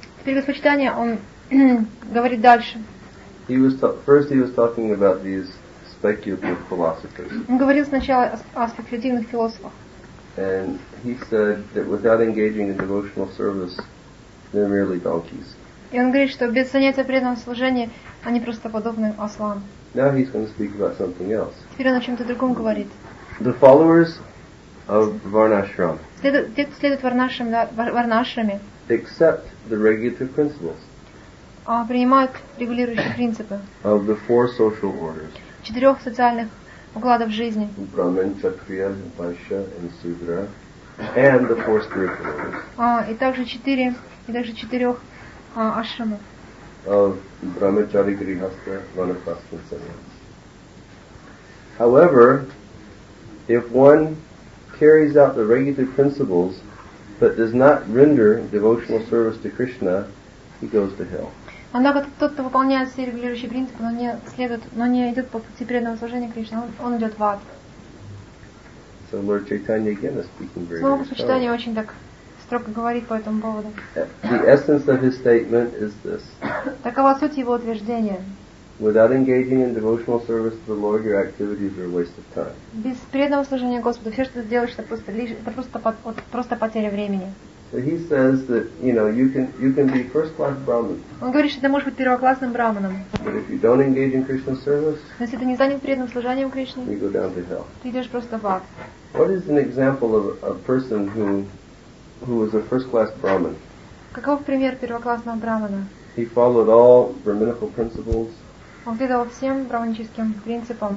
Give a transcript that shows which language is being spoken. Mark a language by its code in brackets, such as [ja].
[ru] Теперь Господь Чайтанья, он говорит дальше. [en] He was talking about these speculative philosophers. [ru] Он говорил сначала о спекулятивных философах. [en] And he said that without engaging in devotional service, they're merely donkeys. [ru] И он говорит, что без занятия преданного служения они просто подобны ослам. [en] Now he's going to speak about something else. [ru] Теперь он о чем-то другом говорит. [en] The followers of Varnashram. [ru] Те, кто следует Варнашраме, [en] accept the regulative principles. [ru] Принимают регулирующие принципы. [en] Of the four social orders. [ru] Четырех социальных укладов жизни. Брахман, Кшатрия, Вайшья и Судра. [en] And the four spiritual orders. [ru] И также четырех ашрамов. [en] Of Брахмачари, Грихастха, Ванапрастха, Саньяса. However, if one carries out the regulative principles, but does not render devotional service to Krishna, he goes to hell. [ru] Однако тот, кто выполняет все регулирующие принципы, но не идет по пути преданного служения Кришне, он идет в ад. [en] So Lord Chaitanya again is speaking very strongly. [ru] Снова Чайтанья очень так строго говорит по этому поводу. [en] The essence of his statement is this. [ru] Такова суть его утверждения. [en] Without engaging in devotional service to the Lord, your activities are a waste of time. [ru] Без преданного служения Господу все, что ты делаешь, это просто потеря времени. [en] So he says that, you know, you can be first-class Brahman. [ru] Он говорит, что ты можешь быть первоклассным Брахманом. [en] But if you don't engage in Krishna service, [ru] если ты не занят преданным служением Кришне, [en] you go down to hell. [ru] Ты идешь просто в ад. [en] What is an example of a person who was a first-class Brahman? [ru] Каков пример первоклассного Брахмана? [en] He followed all brahminical principles. [ru] Он следовал всем брахманическим принципам.